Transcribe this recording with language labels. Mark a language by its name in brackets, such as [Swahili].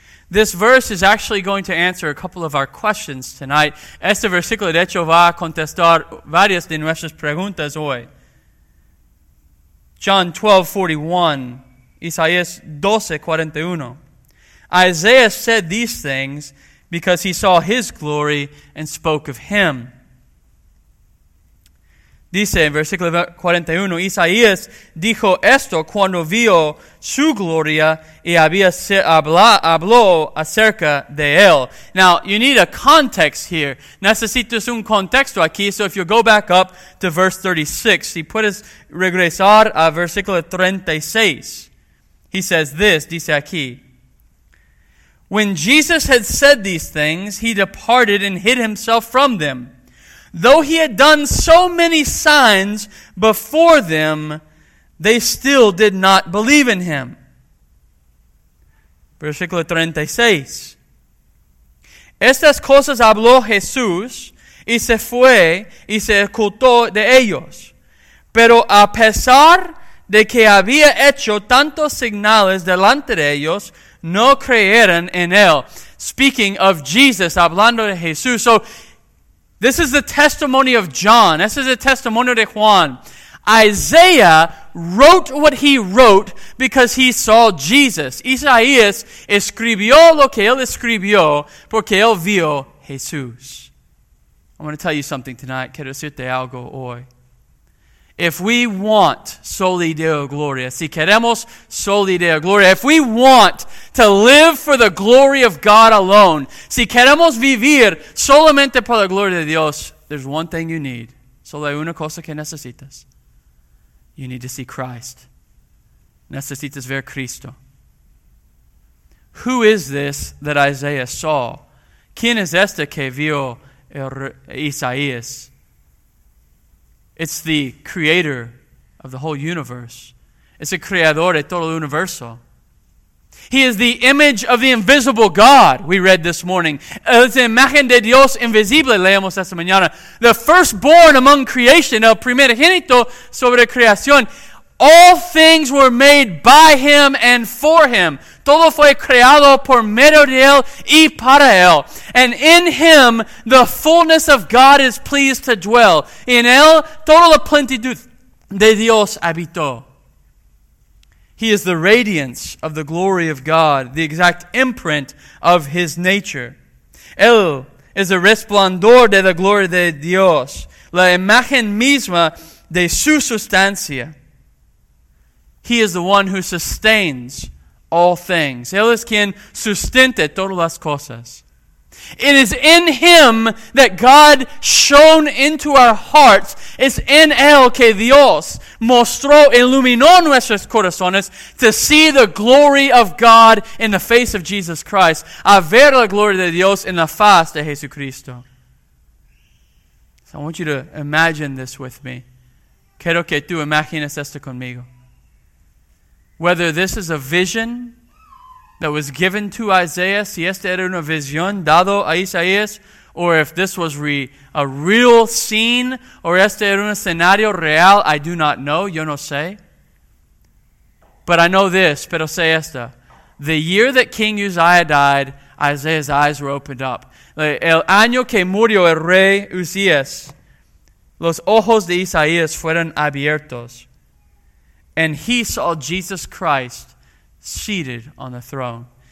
[English] This verse is actually going to answer a couple of our questions tonight. [Spanish] Este versículo, de hecho, va a contestar varias de nuestras preguntas hoy. [English] John 12:41. Isaías 12:41. Isaiah said these things because he saw his glory and spoke of him. [Spanish] Dice en versículo 41, Isaías dijo esto cuando vio su gloria y habló acerca de él. [English] Now, you need a context here. [Spanish] Necesitas un contexto aquí. [English] So if you go back up to verse 36, [Spanish] si puedes regresar a versículo 36, [English] he says this, [Spanish] dice aquí. [English] When Jesus had said these things, he departed and hid himself from them. Though he had done so many signs before them, they still did not believe in him. [Spanish] Versículo 36. Estas cosas habló Jesús y se fue y se ocultó de ellos. Pero a pesar de que había hecho tantos señales delante de ellos, no creyeron en él. [English] Speaking of Jesus, [Spanish] hablando de Jesús. [English] So, this is the testimony of John. This is the testimony of Juan. Isaiah wrote what he wrote because he saw Jesus. [Spanish] Isaías escribió lo que él escribió porque él vio Jesús. [English] I want to tell you something tonight. [Spanish] Quiero decirte algo hoy. [English] If we want soli deo gloria, [Spanish] si queremos soli deo gloria, [English] if we want to live for the glory of God alone, [Spanish] si queremos vivir solamente por la gloria de Dios, [English] there's one thing you need. [Spanish] Solo hay una cosa que necesitas. [English] You need to see Christ. [Spanish] Necesitas ver Cristo. [English] Who is this that Isaiah saw? [Spanish] ¿Quién es este que vio Isaías? [English] It's the creator of the whole universe. It's [Spanish] el creador de todo el universo. [English] He is the image of the invisible God, we read this morning. [Spanish] Es la imagen de Dios invisible, leemos esta mañana. [English] The firstborn among creation, [Spanish] el primogénito sobre creación. [English] All things were made by him and for him. [Spanish] Todo fue creado por medio de él y para él. [English] And in him, the fullness of God is pleased to dwell. [Spanish] In él, toda la plenitud de Dios habitó. [English] He is the radiance of the glory of God, the exact imprint of his nature. [Spanish] Él es el resplandor de la gloria de Dios, la imagen misma de su sustancia. [English] He is the one who sustains all things. [Spanish] Él es quien sustenta todas las cosas. [English] It is in him that God shone into our hearts. [Spanish] Es en él que Dios mostró, iluminó nuestros corazones [English] to see the glory of God in the face of Jesus Christ. [Spanish] A ver la gloria de Dios en la faz de Jesucristo. [English] So I want you to imagine this with me. [Spanish] Quiero que tú imagines esto conmigo. [English] Whether this is a vision that was given to Isaiah, [Spanish] si esta era una visión dado a Isaías, [English] or if this was a real scene, [Spanish] or este era un escenario real, [English] I do not know, [Spanish] yo no sé. [English] But I know this, [Spanish] pero sé esta. [English] The year that King Uzziah died, Isaiah's eyes were opened up. [Spanish] El año que murió el rey Uzías, los ojos de Isaías fueron abiertos. [English] And he saw Jesus Christ seated on the throne.